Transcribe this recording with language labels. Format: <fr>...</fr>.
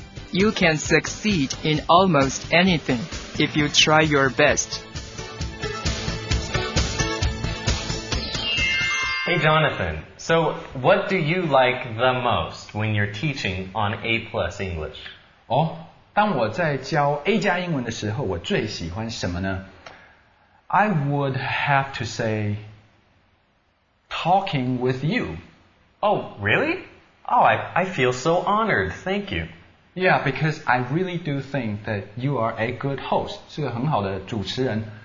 <en>You can succeed in almost anything if you try your best. Hey Jonathan, so what do you like the most when you're teaching on A plus English?</en> <zh>哦，当我在教 A 加英文的时候，我最喜欢什么呢？</zh> <en>I would have to say talking with you. Oh, really? Oh, I feel so honored. Thank you. Yeah, because I really do think that you are a good host,</en> <zh>是个很好的主持人。</zh>